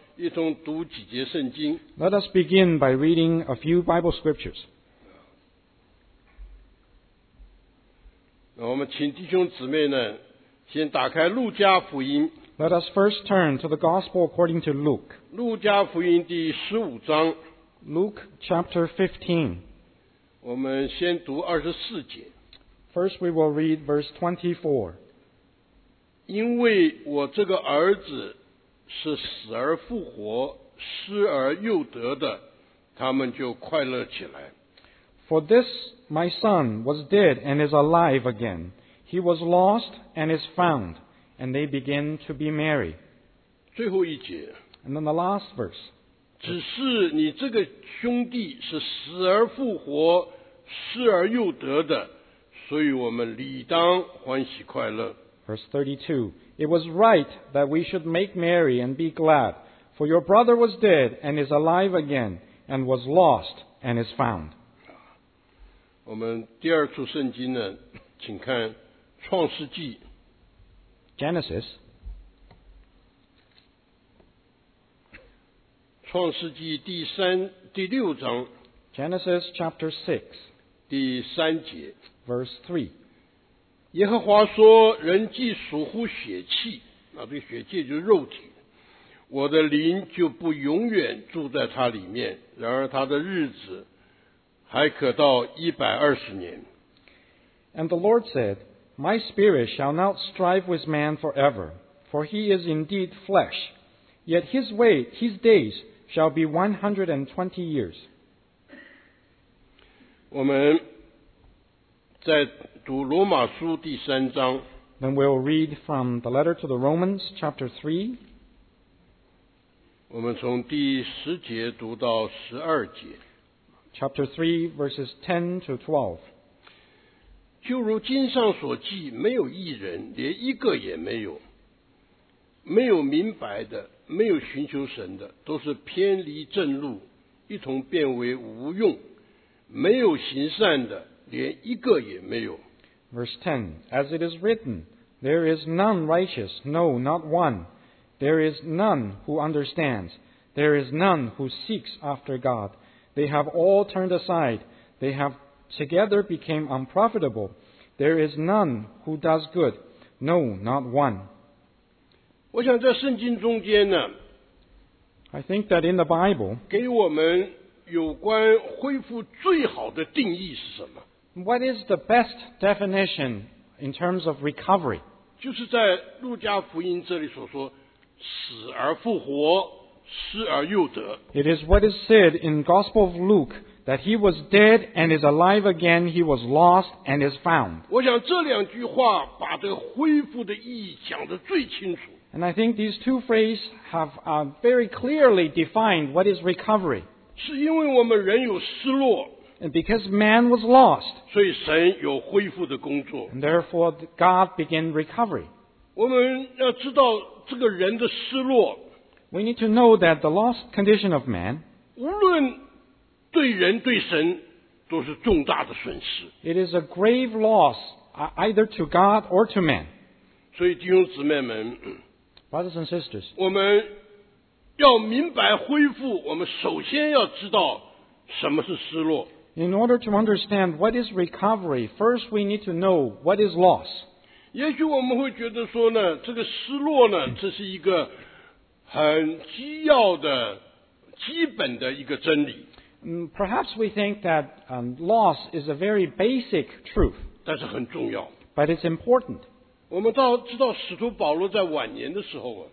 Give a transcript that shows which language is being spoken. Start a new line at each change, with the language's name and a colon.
Chinese: 一同读几节圣经。
English: Let us begin by reading a few Bible scriptures.
Chinese: 我们请弟兄姊妹呢，先打开路加福音。
English: Let us first turn to the Gospel according to Luke.
Chinese: 路加福音第十五章。
English: Luke chapter 15.
Chinese: 我们先读二十四节。
English: First, we will read verse 24.
Chinese: 因为我这个儿子是死而复活，失而又得的，他们就快乐起来。
English: For this my son was dead and is alive again. He was lost and is found. And they begin to be merry.
Chinese: 最后一节。
English: And then the last verse.
Chinese: 只是你这个兄弟是死而复活，失而又得的，所以我们理当欢喜快乐。
English: Verse 32. It was right that we should make merry and be glad, for your brother was dead and is alive again, and was lost and is found.
Chinese: 我们第二处圣经呢，请看创世纪。
English: Genesis.
Chinese: 创世纪第三第六章。
English: Genesis chapter 6.
Chinese: 第三节。
English: Verse 3.
Chinese: 耶和华说，人既属乎血气，那这个血气就是肉体，我的灵就不永远住在他里面，然而他的日子还可到120年。
English: And the Lord said, My spirit shall not strive with man forever, for he is indeed flesh, yet his days shall be 120 years.
Chinese: 我们在读罗马书第三章。
English: Then we'll read from the letter to the Romans, chapter 3.
Chinese: 我们从第十节读到十二节。
English: Chapter 3, verses 10 to 12.
Chinese: 就如经上所记，没有一人，连一个也没有。没有明白的，没有寻求神的，都是偏离正路，一同变为无用。没有行善的，连一个也没有。
English: Verse 10, As it is written, There is none righteous, no, not one. There is none who understands. There is none who seeks after God. They have all turned aside. They have together became unprofitable. There is none who does good, no, not one.
Chinese: 我想在圣经中间呢,
English: I think that in the Bible,
Chinese: 给我们有关恢复最好的定义是什么?
English: What is the best definition in terms of recovery?
Chinese: 就是在路加福音这里所说，死而复活，失而又得。
English: It is what is said in Gospel of Luke, that he was dead and is alive again, he was lost and is found.
Chinese: 我想这两句话把这个恢复的意义讲得最清楚。
English: And I think these two phrases have very clearly defined what is recovery.
Chinese: 是因为我们人有失落。
English: And because man was lost,
Chinese: 所以神有恢复的工作。
English: And therefore, God began recovery.
Chinese: 我们要知道这个人的失落。
English: We need to know that the lost condition of man,
Chinese: 无论对人对神都是重大的损失。
English: It is a grave loss, either to God or to man.
Chinese: 所以弟兄姊妹们,
English: Brothers and sisters,
Chinese: 我们要明白恢复，我们首先要知道什么是失落。
English: In order to understand what is recovery, first we need to know what is loss.
Chinese: 也许我们会觉得说呢，这个失落呢，这是一个很基要的、基本的一个真理。
English: Perhaps we think that loss is a very basic truth.
Chinese: 但是很重要。
English: But it's important.
Chinese: 我们知道使徒保罗在晚年的时候啊。